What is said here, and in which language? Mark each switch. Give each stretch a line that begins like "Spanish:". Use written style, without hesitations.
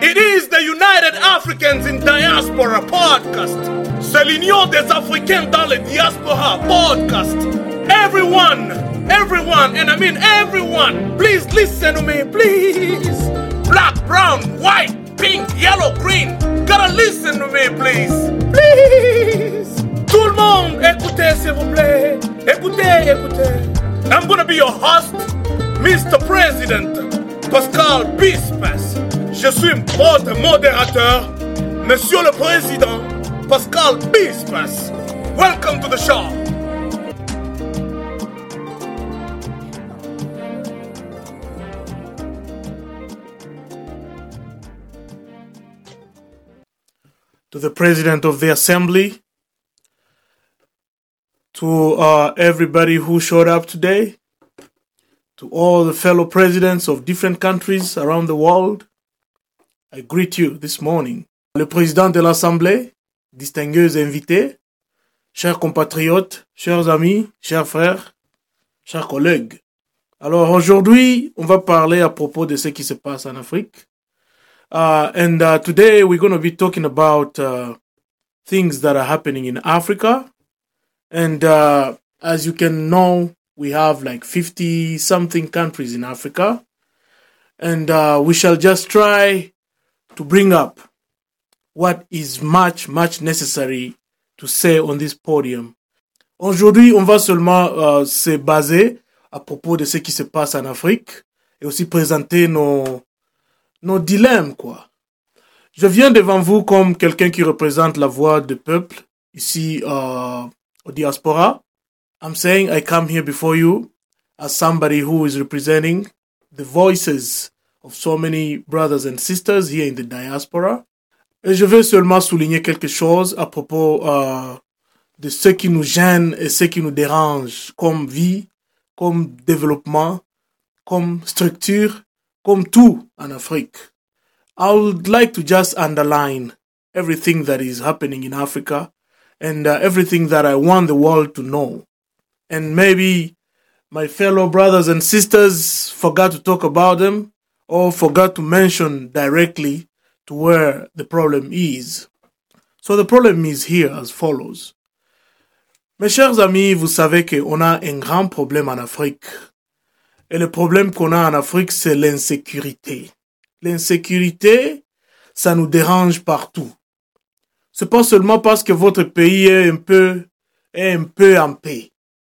English: It is the United Africans in Diaspora podcast.
French: C'est l'Union des Africains dans la Diaspora podcast.
English: Everyone, everyone, and I mean everyone, please listen to me, please. Black, brown, white, pink, yellow, green, gotta listen to me, please. Please.
French: Tout le monde, écoutez, s'il vous plaît. Écoutez, écoutez.
English: I'm gonna be your host, Mr. President Pascal Bispas.
French: Je suis votre modérateur, Monsieur le Président Pascal Bispas.
English: Welcome to the show. To the President of the Assembly, to everybody who showed up today, to all the fellow presidents of different countries around the world, I greet you this morning.
French: Le président de l'Assemblée, distingueux invités, chers compatriotes, chers amis, chers frères, chers collègues. Alors aujourd'hui, on va parler à propos de ce qui se passe en Afrique.
English: Today we're going to be talking about things that are happening in Africa. And as you can know, we have like 50-something countries in Africa. And we shall just try to bring up what is much, much necessary to say on this podium.
French: Aujourd'hui, on va seulement se baser à propos de ce qui se passe en Afrique et aussi présenter nos dilemmes, quoi. Je viens devant vous comme quelqu'un qui représente la voix du peuple ici au diaspora.
English: I'm saying I come here before you as somebody who is representing the voices of so many brothers and sisters here in the diaspora.
French: Et je veux seulement souligner quelque chose à propos de ce qui nous gêne et ce qui nous dérange comme vie, comme développement, comme structure, comme tout en Afrique.
English: I would like to just underline everything that is happening in Africa and everything that I want the world to know. And maybe my fellow brothers and sisters forgot to talk about them or forgot to mention directly to where the problem is. So the problem is here as follows.
French: Mes chers amis, vous savez qu'on a un grand problème en Afrique. Et le problème qu'on a en Afrique, c'est l'insécurité. L'insécurité, ça nous dérange partout. C'est pas seulement parce que votre pays est un peu en paix.